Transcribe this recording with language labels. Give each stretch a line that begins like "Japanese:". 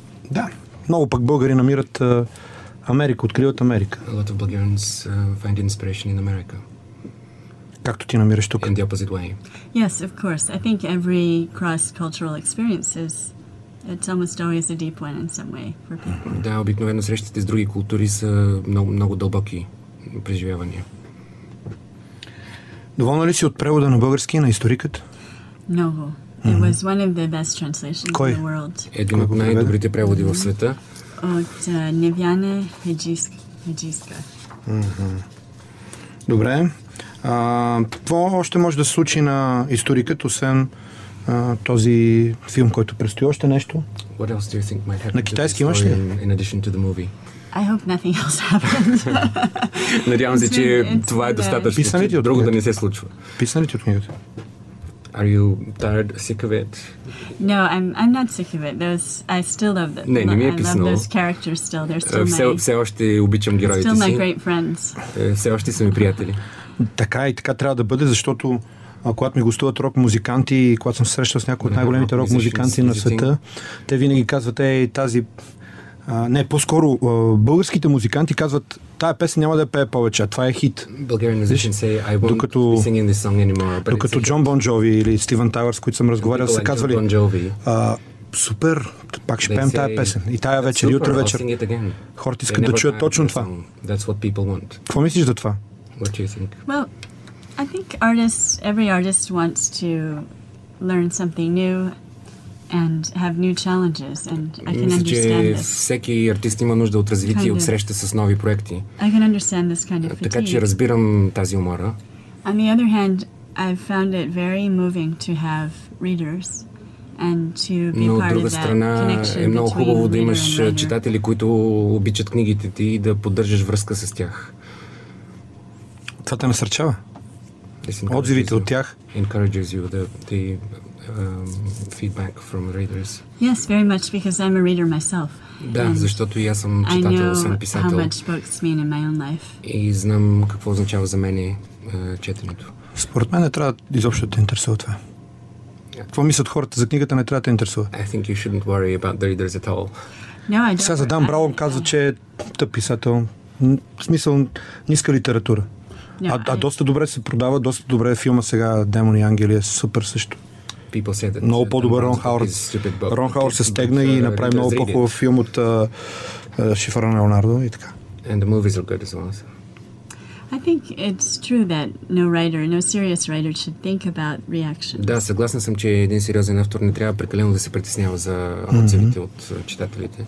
Bulgarian: Да, много пък българи намират Америка, откриват Америка.
English: A lot of Bulgarians find inspiration in America.
Bulgarian: Както ти намираш тук?
English: In the opposite way. Yes, of course. I think every cross-cultural experience is it's almost always a deep one in some way for people.
Bulgarian: Да, обикновено срещите с други култури са много, много дълбоки преживявания. Доволна ли си от превода на български на историкът? Много.
English: It was one of the best translations in the world.
Bulgarian: Един от най-добрите преводи в света. От Невяна Хаджиска. Добре. Какво още може да се случи на историкът, освен този филм, който предстои? Още нещо?
English: What else do you think might happen?
Bulgarian: На китайски имаш ли?
English: In addition to the movie. I hope nothing else happens.
Bulgarian: Надявам се, че това е достатъчно. Писани ти от друго да не се случва. Писани ти от книгата?
English: Are you tired, sick of it? No, I'm not sick of it. I still love them.
Bulgarian: Не, не ми е писано.
English: I love those characters still. They're still
Bulgarian: все още обичам героите си.
English: Still my great friends.
Bulgarian: Все още са ми приятели. Така и така трябва да бъде, защото когато ми гостуват рок музиканти и когато съм срещал с някои от най-големите рок музиканти на света, те винаги казват, ей, тази... не, по-скоро българските музиканти казват, тая песен няма да я пее повече, това е хит. Докато Джон Бон Джови или Стивън Тайлър, с които съм разговарял, са казвали, супер, пак ще пеем тая песен. И тая вечер, и утре вечер, хората искат да чуят точно това. Какво мислиш за това?
English: What do you think? Well, I think every artist wants to learn something new and have new challenges, and I can understand this.
Bulgarian: Всеки артист има нужда от развитие, от среща с нови проекти.
English: I can understand this kind of fatigue.
Bulgarian: Така че разбирам тази умора.
English: On the other hand, I've found it very moving to have readers and to be part of that connection.
Bulgarian: Но от друга страна е много хубаво да имаш читатели, които обичат книгите ти и да поддържаш връзка с тях. Това те насърчава. Отзивите от тях.
English: Encourages you the feedback from readers. Yes, very much, because I'm a reader myself.
Bulgarian: Да, защото и аз съм читател, съм писател.
English: How much books mean in my own life.
Bulgarian: И знам какво означава за мен четенето. Според мен не трябва изобщо да те интересува това. Какво мислят хората за книгата, не трябва да те интересува.
English: I think you shouldn't worry about the readers at all. No, I don't.
Bulgarian: Сега за Дан Браун казва, че е тъп писател. В смисъл, ниска литература. А доста добре се продава, доста добре е филма сега Демон и Ангели, е супер също.
English: People say that
Bulgarian: много по-добър Рон Хауърд. Рон Хауърд се стегна и направи много по-хубав филм от Шифъра на Леонардо и така.
English: And the movies are good as well. I think it's true that no writer, no serious writer should think about reactions.
Bulgarian: Да, съгласен съм, че един сериозен автор не трябва прекалено да се притеснява за отзивите от читателите.